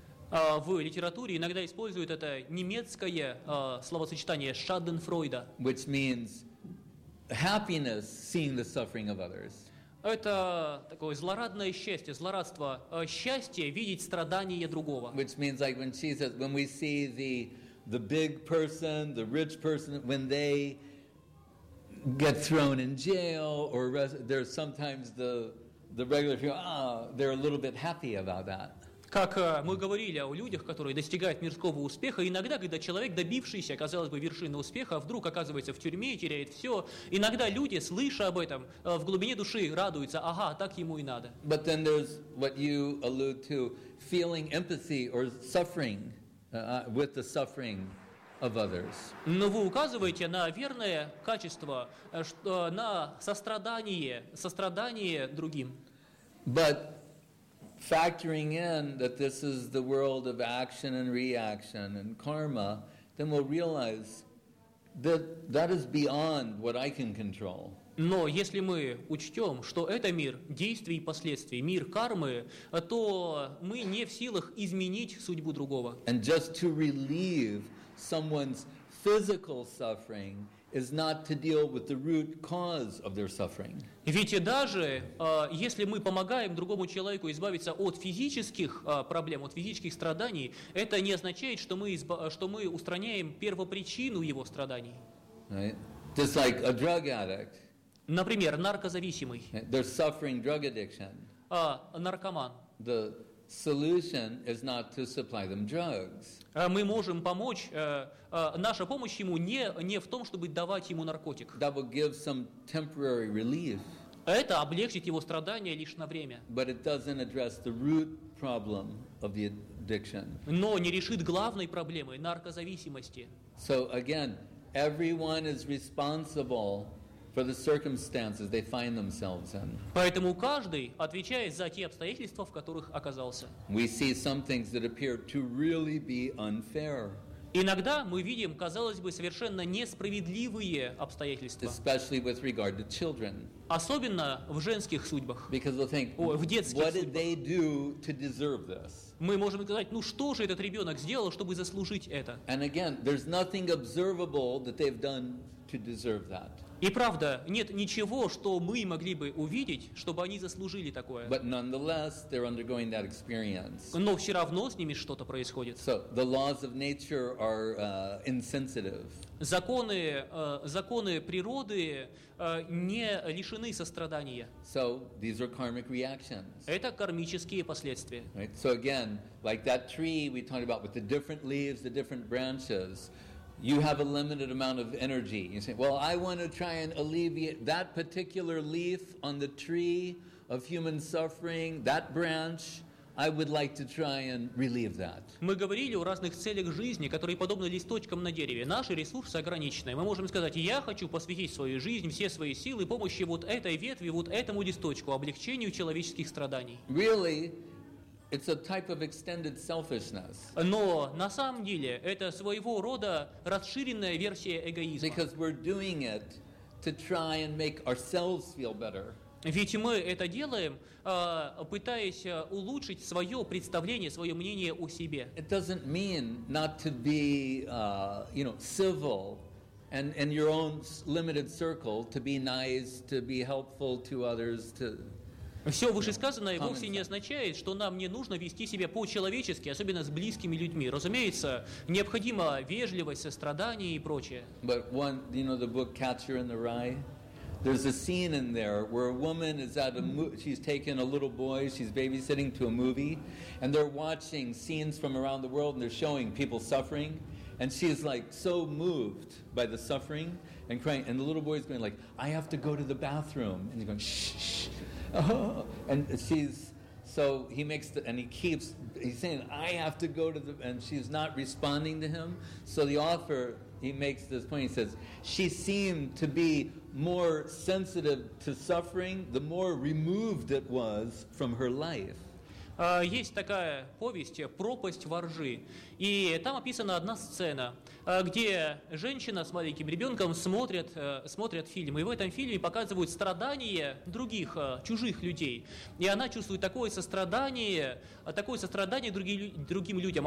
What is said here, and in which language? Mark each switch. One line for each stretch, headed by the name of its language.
Russian: В литературе иногда используют это немецкое словосочетание Schadenfreude.
English: Which means happiness seeing the suffering of others.
Russian: Это такое злорадное счастье, злорадство, счастье видеть страдания другого.
English: Which means like when she says, when we see the big person, the rich person, when they get thrown in jail or arrested, there's sometimes the regular people, they're a little bit happy about that.
Russian: Как мы говорили о людях, которые достигают мирского успеха, иногда, когда человек, добившийся, казалось бы, вершины успеха, вдруг оказывается в тюрьме и теряет все, иногда люди, слыша об этом, в глубине души радуются: ага, так ему и надо.
English: But then there's what you allude to, feeling empathy or suffering. With the suffering of others.
Russian: Но вы указываете на верное качество, на сострадание, сострадание другим.
English: But factoring in that this is the world of action and reaction and karma, then we'll realize that is beyond what I can control.
Russian: Но если мы учтем, что это мир действий и последствий, мир кармы, то мы не в силах изменить судьбу другого.
English: And just to relieve someone's physical suffering is not to deal with the root cause of their suffering.
Russian: Ведь даже если мы помогаем другому человеку избавиться от физических проблем, от физических страданий, это не означает, что мы устраняем первопричину его страданий.
English: Right? Just like a drug addict.
Russian: Например, наркозависимый.
English: They're suffering drug addiction.
Russian: Наркоман.
English: The solution is not to supply them drugs.
Russian: Мы можем помочь. Наша помощь ему не в том, чтобы давать ему наркотик.
English: That will give some temporary relief.
Russian: Это облегчит его страдания лишь на время.
English: But it doesn't address the root problem of the addiction.
Russian: Но не решит главной проблемы наркозависимости.
English: So again, everyone is responsible for the circumstances they find themselves in.
Russian: Поэтому каждый отвечает за те обстоятельства, в которых оказался.
English: We see some things that appear to really be unfair.
Russian: Иногда мы видим, казалось бы, совершенно несправедливые обстоятельства.
English: Especially with regard to children.
Russian: Особенно в женских судьбах.
English: Because they think,
Russian: в детских
English: what
Russian: судьбах.
English: Did they do to deserve this?
Russian: Мы можем сказать, ну что же этот ребенок сделал, чтобы заслужить это?
English: And again, there's nothing observable that they've done to deserve that.
Russian: И правда, нет ничего, что мы могли бы увидеть, чтобы они заслужили такое.
English: But nonetheless, they're undergoing that experience.
Russian: Но все равно с ними что-то происходит.
English: So the laws of nature are insensitive.
Russian: Законы природы не лишены сострадания.
English: So these are karmic reactions.
Russian: Это кармические последствия.
English: Right? So again, like that tree we talked about with the different leaves, the different branches. You have a limited amount of energy. You say, well, I want to try and alleviate that particular leaf on the tree of human suffering, that branch, I would like to try and relieve that.
Russian: Мы говорили о разных целях жизни, которые подобны листочкам на дереве. Наши ресурсы ограничены. Мы можем сказать, я хочу посвятить свою жизнь, все свои силы помощи вот этой ветви, вот этому листочку, облегчению человеческих страданий.
English: Really? It's a type of extended selfishness.
Russian: Но на самом деле это своего рода расширенная версия эгоизма.
English: Because we're doing it to try and make ourselves feel better.
Russian: Ведь мы это делаем, пытаясь улучшить свое представление, свое мнение о себе.
English: It doesn't mean not to be, you know, civil and in your own limited circle to be nice, to be helpful to others, to.
Russian: Все вышесказанное вовсе не означает, что нам не нужно вести себя по-человечески, особенно с близкими людьми. Разумеется, необходима вежливость, сострадание и прочее.
English: But one, you know, the book Catcher in the Rye, there's a scene in there where a woman is at a she's taking a little boy, she's babysitting to a movie, and they're watching scenes from around the world, and they're showing people suffering, and she's like so moved by the suffering and crying, and the little boy's going like, I have to go to the bathroom, and he's going, shh. And she's so he makes the, and he keeps he's saying I have to go to the and she's not responding to him. So the author he makes this point. He says she seemed to be more sensitive to suffering the more removed it was from her life.
Russian: Есть такая повесть «Пропасть во ржи», и там описана одна сцена, где женщина с маленьким ребенком смотрят фильм, и в этом фильме показывают страдания других, чужих людей. И она чувствует такое сострадание другим людям.